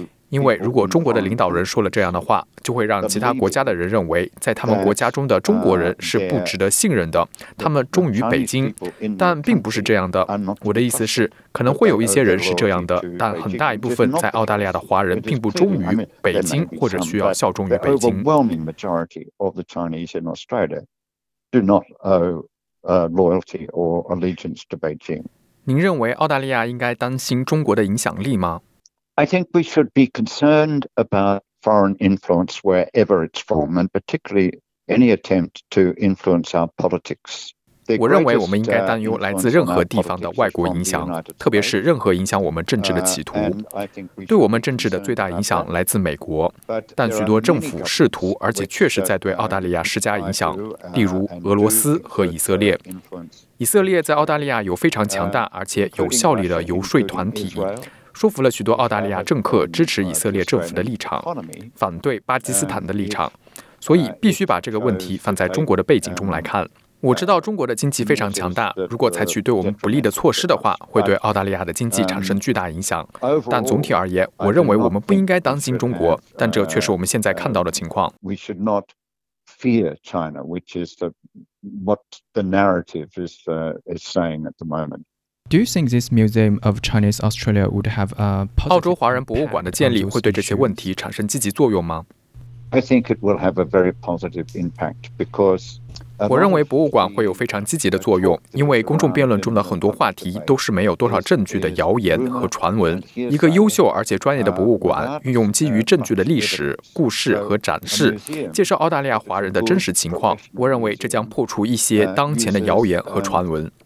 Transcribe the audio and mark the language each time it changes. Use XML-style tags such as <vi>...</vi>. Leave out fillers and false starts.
<zh>因为如果中国的领导人说了这样的话，就会让其他国家的人认为在他们国家中的中国人是不值得信任的，他们忠于北京。但并不是这样的。我的意思是，可能会有一些人是这样的，但很大一部分在澳大利亚的华人并不忠于北京，或者需要效忠于北京。</zh> <en>Overwhelming majority of the Chinese in Australia do not owe loyalty or allegiance to Beijing.</en> <zh>您认为澳大利亚应该担心中国的影响力吗？</zh> <en>I think we should be concerned about foreign influence wherever it's from, and particularly any attempt to influence our politics.</en> <zh>我认为我们应该担忧来自任何地方的外国影响，特别是任何影响我们政治的企图。对我们政治的最大影响来自美国，但许多政府试图而且确实在对澳大利亚施加影响，例如俄罗斯和以色列。以色列在澳大利亚有非常强大而且有效力的游说团体，说服了许多澳大利亚政客支持以色列政府的立场，反对巴基斯坦的立场。所以必须把这个问题放在中国的背景中来看。我知道中国的经济非常强大，如果采取对我们不利的措施的话，会对澳大利亚的经济产生巨大影响。但总体而言，我认为我们不应该担心中国，但这却是我们现在看到的情况。</zh> <en>We should not fear China, which is what the narrative is saying at the moment. Do you think this Museum of Chinese Australia would have a positive impact?</en> <zh>澳洲华人博物馆的建立会对这些问题产生积极作用吗？</zh> <en>I think it will have a very positive impact because</en> <zh>我认为博物馆会有非常积极的作用，因为公众辩论中的很多话题都是没有多少证据的谣言和传闻。一个优秀而且专业的博物馆运用基于证据的历史、故事和展示，介绍澳大利亚华人的真实情况，我认为这将破除一些当前的谣言和传闻。</zh>